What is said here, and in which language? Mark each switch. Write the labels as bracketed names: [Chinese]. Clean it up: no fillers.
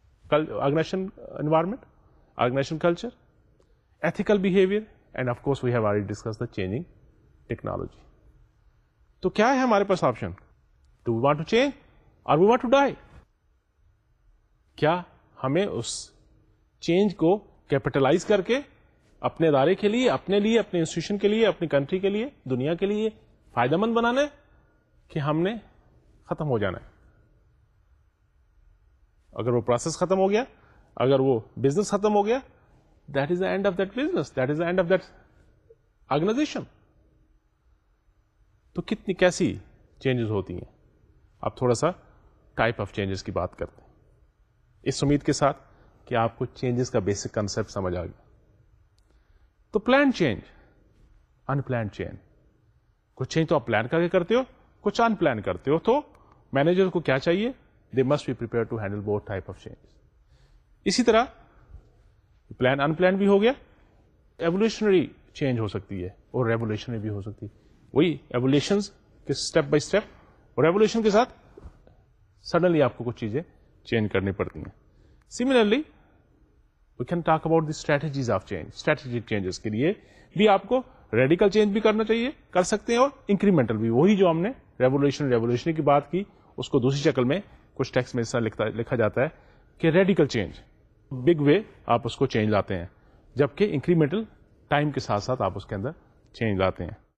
[English] organisation environment organisation culture ethical behaviour and of course we have already discuss the changing technology [Urdu] تو کیا ہے ہمارے پاس option [English] Do we want to change or we want to die? [Urdu] کیا ہمیں اس change کو capitalise کر کے اپنے ادارے کے لیے, اپنے لیے, اپنے انسٹیٹیوشن کے لیے, اپنی کنٹری کے لیے, دنیا کے لیے فائدہ مند بنانا ہے کہ ہم نے ختم ہو جانا ہے. اگر وہ پروسیس ختم ہو گیا, [English] اگر وہ بزنس ختم ہو گیا, that is the end of that business, that is the end of that organisation. [Urdu] تو کتنی کیسی چینجز ہوتی ہیں. اب تھوڑا سا ٹائپ آف چینجز کی بات کرتے ہیں, اس امید کے ساتھ کہ آپ کو چینجز کا بیسک کنسپٹ سمجھ آ گیا. تو پلان چینج, ان پلان چینج, کچھ چینج تو آپ پلان کر کے کرتے ہو, کچھ ان پلان کرتے ہو. تو مینیجر کو کیا چاہیے, [English] They must be prepare to handle both type of change. [Urdu] اسی طرح پلان ان پلان بھی ہو گیا, ایولیوشنری چینج ہو سکتی ہے اور ریولیوشنری بھی ہو سکتی ہے. وہی ایولیوشن کے اسٹیپ بائی اسٹیپ, اور ریولیوشن کے ساتھ سڈنلی آپ کو کچھ چیزیں چینج کرنی پڑتی ہیں. [English] Similarly we can talk about the strategies of change. [Urdu] Strategy changes کے لیے بھی آپ کو ریڈیکل چینج بھی کرنا چاہیے, کر سکتے ہیں, اور انکریمنٹل بھی. وہی جو ہم نے ریولیوشن ریولیوشن کی بات کی, اس کو دوسری شکل میں کچھ ٹیکس میں اس طرح لکھا جاتا ہے کہ ریڈیکل چینج, بگ وے آپ اس کو چینج لاتے ہیں, جبکہ انکریمنٹل ٹائم کے ساتھ ساتھ آپ اس کے اندر چینج لاتے ہیں.